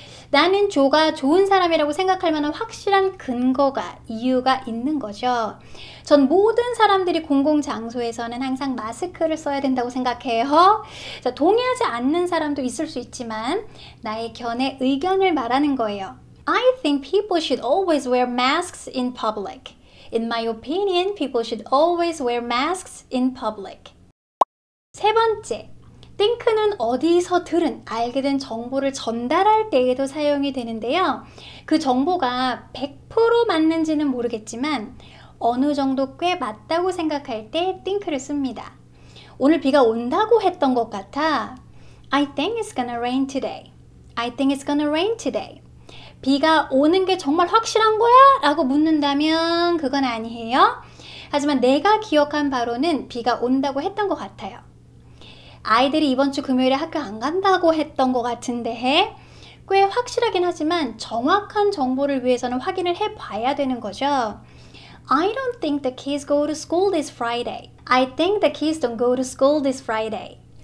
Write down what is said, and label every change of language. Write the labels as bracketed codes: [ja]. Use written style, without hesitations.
[ko] 나는 조가 좋은 사람이라고 생각할 만한 확실한 근거가, 이유가 있는 거죠. 전 모든 사람들이 공공장소에서는 항상 마스크를 써야 된다고 생각해요. 자, 동의하지 않는 사람도 있을 수 있지만, 나의 견해, 의견을 말하는 거예요. [en] I think people should always wear masks in public. In my opinion, people should always wear masks in public. [ko] 세 번째. 띵크는 어디서 들은, 알게 된 정보를 전달할 때에도 사용이 되는데요. 그 정보가 100% 맞는지는 모르겠지만, 어느 정도 꽤 맞다고 생각할 때 띵크를 씁니다. 오늘 비가 온다고 했던 것 같아. [en] I think it's gonna rain today. I think it's gonna rain today. [ko] 비가 오는 게 정말 확실한 거야? 라고 묻는다면 그건 아니에요. 하지만 내가 기억한 바로는 비가 온다고 했던 것 같아요. 아이들이 이번 주 금요일에 학교 안 간다고 했던 것 같은데, 꽤 확실하긴 하지만 정확한 정보를 위해서는 확인을 해봐야 되는 거죠. [en] I don't think the kids go to school this Friday. I think the kids don't go to school this Friday.